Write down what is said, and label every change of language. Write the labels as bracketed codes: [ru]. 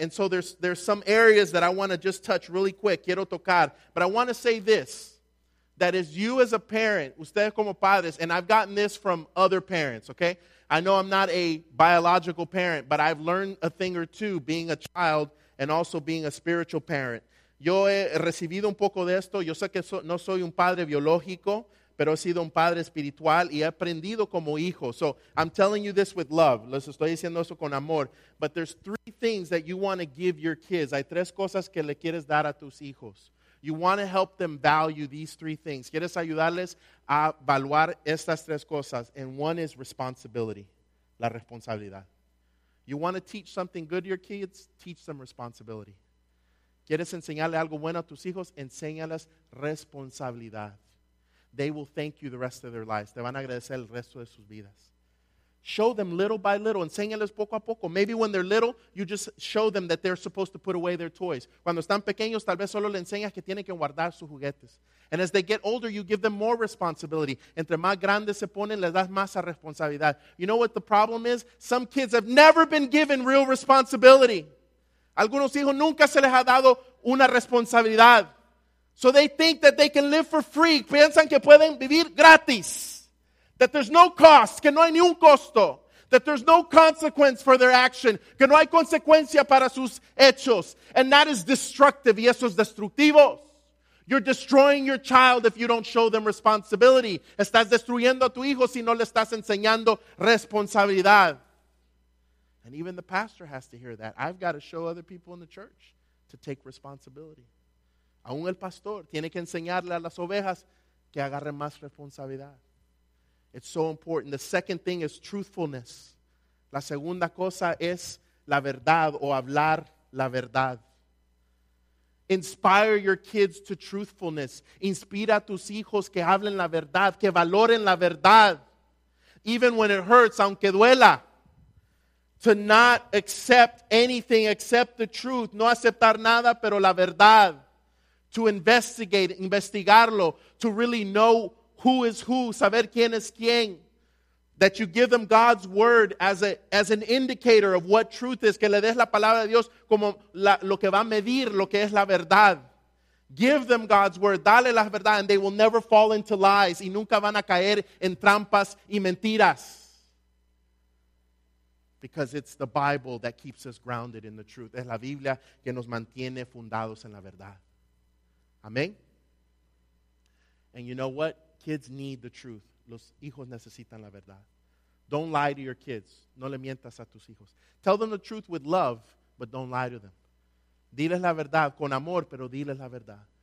[en] And so there's some areas that I want to just touch really quick. [es] Quiero tocar. [en] But I want to say this, that as you as a parent, [es] ustedes como padres, [en] and I've gotten this from other parents, okay? I know I'm not a biological parent, but I've learned a thing or two being a child and also being a spiritual parent. [es] Yo he recibido un poco de esto. Yo sé que no soy un padre biológico, pero he sido un padre espiritual y he aprendido como hijo. [en] So I'm telling you this with love. [es] Les estoy diciendo eso con amor. [en] But there's three things that you want to give your kids. [es] Hay tres cosas que le quieres dar a tus hijos. [en] You want to help them value these three things. [es] Quieres ayudarles a evaluar estas tres cosas. [en] And one is responsibility, [es] la responsabilidad. [en] You want to teach something good to your kids? Teach them responsibility. [es] ¿Quieres enseñarle algo bueno a tus hijos? Enséñales responsabilidad. [en] They will thank you the rest of their lives. [es] Te van a agradecer el resto de sus vidas. [en] Show them little by little. [es] Enséñales poco a poco. [en] Maybe when they're little, you just show them that they're supposed to put away their toys. [es] Cuando están pequeños, tal vez solo le enseñas que tienen que guardar sus juguetes. [en] And as they get older, you give them more responsibility. [es] Entre más grandes se ponen, les das más responsabilidad. [en] You know what the problem is? Some kids have never been given real responsibility. [es] Algunos hijos nunca se les ha dado una responsabilidad. [en] So they think that they can live for free. [es] Piensan que pueden vivir gratis. [en] That there's no cost. [es] Que no hay ni un costo. [en] That there's no consequence for their action. [es] Que no hay consecuencia para sus hechos. [en] And that is destructive. [es] Y eso es destructivo. [en] You're destroying your child if you don't show them responsibility. [es] Estás destruyendo a tu hijo si no le estás enseñando responsabilidad. [en] And even the pastor has to hear that. I've got to show other people in the church to take responsibility. [es] Aún el pastor tiene que enseñarle a las ovejas que agarren más responsabilidad. [en] It's so important. The second thing is truthfulness. [es] La segunda cosa es la verdad o hablar la verdad. [en] Inspire your kids to truthfulness. [es] Inspira a tus hijos que hablen la verdad, que valoren la verdad. [en] Even when it hurts, [es] aunque duela. [en] To not accept anything except the truth. [es] No aceptar nada, pero la verdad. [en] To investigate, [es] investigarlo. [en] To really know who is who. [es] Saber quién es quién. [en] That you give them God's word as an indicator of what truth is. [es] Que le des la palabra de Dios como lo que va a medir lo que es la verdad. [en] Give them God's word. [es] Dale la verdad [en] and they will never fall into lies. [es] Y nunca van a caer en trampas y mentiras. [en] Because it's the Bible that keeps us grounded in the truth. [es] Es la Biblia que nos mantiene fundados en la verdad. [en] Amén. And you know what? Kids need the truth. [es] Los hijos necesitan la verdad. [en] Don't lie to your kids. [es] No le mientas a tus hijos. [en] Tell them the truth with love, but don't lie to them. [es] Diles la verdad con amor, pero diles la verdad.